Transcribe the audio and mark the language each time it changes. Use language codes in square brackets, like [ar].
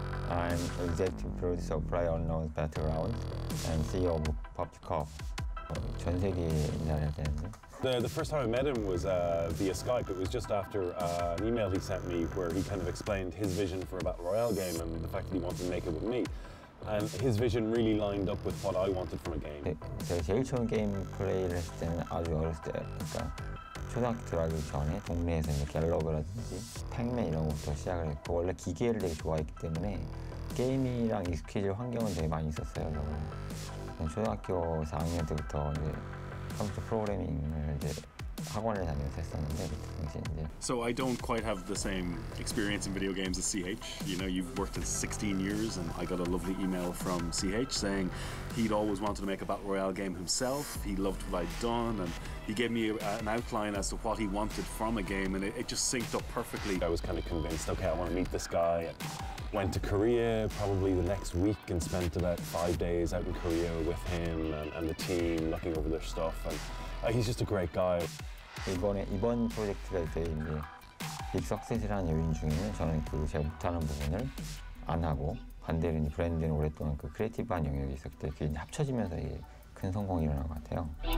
[en] I'm executive producer of PlayerUnknown's Battlegrounds and CEO of PUBG. The first time I met him was via Skype. It was just after an email he sent me where he kind of explained his vision for a Battle Royale game and the fact that he wanted to make it with me. And his vision really lined up with what I wanted from a game. [ko] The 제일 처음 게임 플레이를 아주 어렸을 때, 그러니까 초등학교 전에 동네에서 이제 갤러그라든지 팩맨 이런 것부터 시작을 했고 원래 기계를 되게 좋아했기 때문에 게임이랑 익숙해질 환경은 되게 많이 있었어요. 그래서. 초등학교 4학년 때부터 이제 컴퓨터 프로그래밍을 이제 학원을 다니면서 했었는데 그때 당시 이제. [en] So I don't quite have the same experience in video games as CH. You know, you've worked in 16 years, and I got a lovely email from CH saying he'd always wanted to make a battle royale game himself. He loved what I'd done, and he gave me an outline as to what he wanted from a game, and it just synced up perfectly. I was kind of convinced. Okay, I want to meet this guy. Went to Korea probably the next week and spent about 5 days out in Korea with him and the team looking over their stuff. And he's just a great guy. [ko] 이번 프로젝트가 이제 빅 석세스라는 요인 중에는 저는 그 제가 못하는 부분을 안 하고 반대로 이제 브랜드는 오랫동안 그 크리에이티브한 영역이 있었기 때문에 그게 이제 합쳐지면서 이게 큰 성공이 일어난 것 같아요.